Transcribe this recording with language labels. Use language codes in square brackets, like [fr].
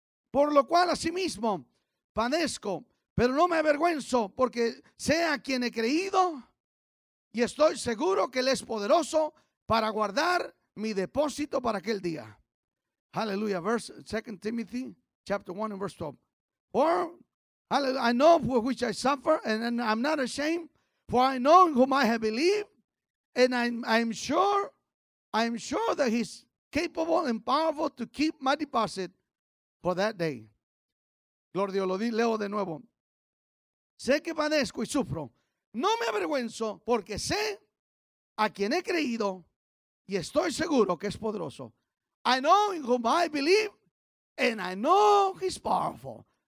[es] Por lo cual asimismo padezco, pero no me avergüenzo, porque sé a quien he creído y estoy seguro que Él es poderoso para guardar mi depósito para aquel día. [en] Hallelujah. Verse 2 Timothy chapter 1 and verse 12. For I know for which I suffer, and I'm not ashamed, for I know in whom I have believed, and I'm sure that He's capable and powerful to keep my deposit for that day. [es] Gloria a Dios, leo de nuevo. Sé que padezco y sufro. No me avergüenzo porque sé a quien he creído y estoy seguro que es poderoso. [en] I know in whom I believe and I know He's powerful.